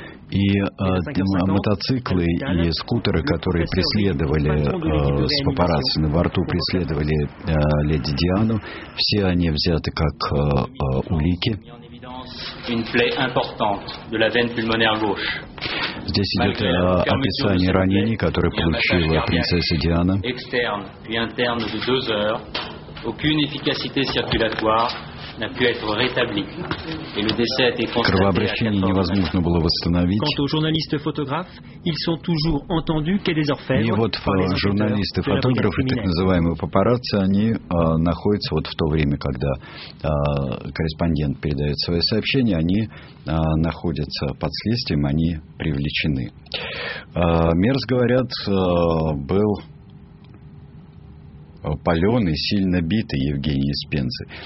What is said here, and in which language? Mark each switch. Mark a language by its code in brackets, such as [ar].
[ru] И мотоциклы и скутеры, которые преследовали с папарацци на борту, преследовали леди Диану, все они взяты как улики. [fr] Une plaie importante de la veine pulmonaire gauche. [ru] Здесь идет описание ранений, которые получила принцесса Диана. [fr] Externe puis interne de deux heures, aucune efficacité circulatoire n'a pu être rétablie et le décès a été constaté. [ru] Кровообращение невозможно было восстановить. [fr] Quant aux journalistes photographes, ils sont toujours entendus quai des orfèvres. [ru] И вот журналисты, фотографы, так называемые папарацци, они находятся вот в то время, когда корреспондент передает свое сообщение, они находятся под следствием, они привлечены. Мерс, говорят, был паленый, сильно битый, Евгений из Пензы.